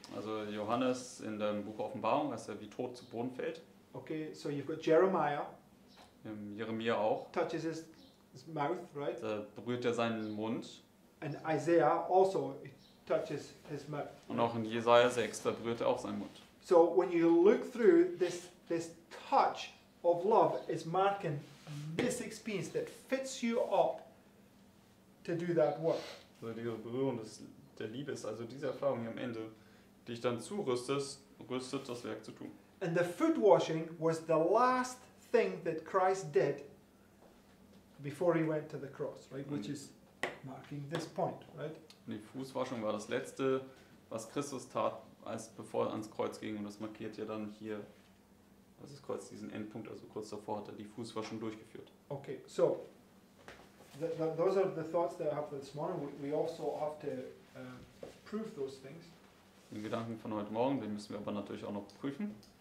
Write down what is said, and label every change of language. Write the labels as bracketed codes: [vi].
[de] Also Johannes in dem Buch Offenbarung, dass er wie tot zu Boden fällt. [en] Okay, so you've got Jeremiah. [de] Jeremia auch. [en] Touches his mouth, right? [de] Da berührt er seinen Mund. [en] And Isaiah also touches his mouth. [de] Und auch in Jesaja 6, da berührt er auch seinen Mund. [en] So when you look through, this touch of love is marking this experience that fits you up to do that work. [de] Also diese Berührung der Liebe ist also diese Erfahrung hier am Ende, die ich dann rüstet das Werk zu tun. [en] And the foot washing was the last thing that Christ did before he went to the cross, right? Which is marking this point, right? [de] Und die Fußwaschung war das letzte, was Christus tat, als bevor er ans Kreuz ging, und das markiert ja dann hier das ist Kreuz diesen Endpunkt, also kurz davor hat er die Fußwaschung durchgeführt. [en] Okay, so those are the thoughts that I have this morning. We also have to prove those things. [de] Den Gedanken von heute Morgen, den müssen wir aber natürlich auch noch prüfen.